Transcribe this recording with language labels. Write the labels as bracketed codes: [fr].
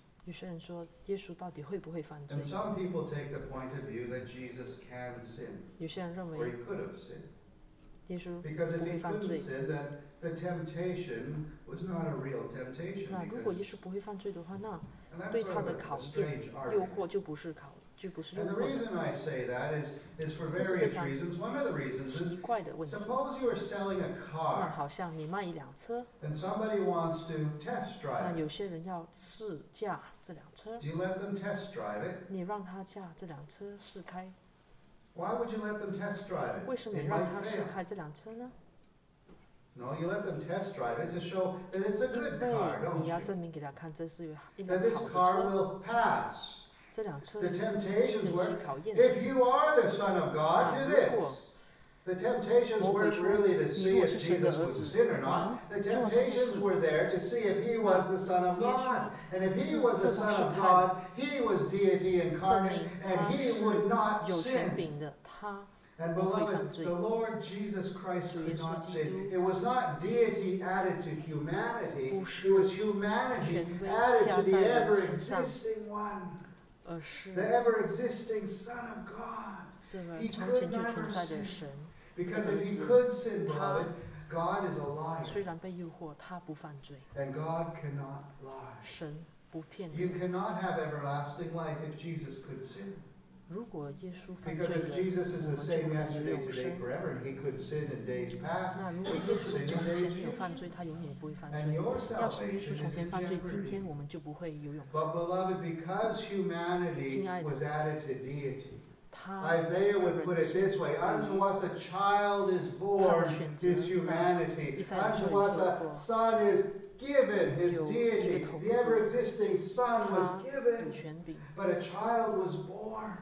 [zh] 有些人说耶稣到底会不会犯罪？ [en] And some people take the point of view that Jesus can sin. [zh] 有些人认为 [en] or he could have sinned. [zh] 耶稣不会犯罪。 [en] Because if he couldn't sin, then the temptation was not a real temptation. [zh] 那如果耶稣不会犯罪的话，那对他的考验、诱惑就不是考。 [en] And the reason I say that is for various reasons. One of the reasons is suppose you are selling a car, [zh] 那好像你卖一辆车, [en] and somebody wants to test drive it. [zh] 那有些人要试驾这辆车, [en] do you let them test drive it? [zh] 你让他驾这辆车试开? [en] Why would you let them test drive it? [zh] 为什么你让他试开这辆车呢? [en] No, you let them test drive it to show that it's a good car, don't you? [zh] 你要证明给他看这是一辆好的车。 [en] That this car will pass. [zh] 这辆车的考验。 [en] If you are the son of God, do this. The temptations weren't really to see if Jesus was sin or not. The temptations were there to see if he was the son of God. And if he was the son of God, he was deity incarnate, and he would not sin. And beloved, the Lord Jesus Christ could not sin. It was not deity added to humanity. It was humanity added to the ever-existing one. The ever-existing Son of God. He could never sin. Because if he could sin, beloved, God is a liar. [zh] 虽然被诱惑，他不犯罪。 [en] And God cannot lie. [zh] 神不骗人。 [en] You cannot have everlasting life if Jesus could sin. [zh] 如果耶稣犯罪了，我们就不能永生。 [en] Because if Jesus is the same yesterday, today, forever, and he could sin in days past, [zh] 那如果耶稣从前没有犯罪，他永远不会犯罪。要是耶稣从前犯罪，今天我们就不会有永生。 [en] But beloved, because humanity was added to deity, Isaiah would put it this way: Unto us a child is born, his humanity; unto us a son is given, his deity. The ever-existing son was given, but a child was born.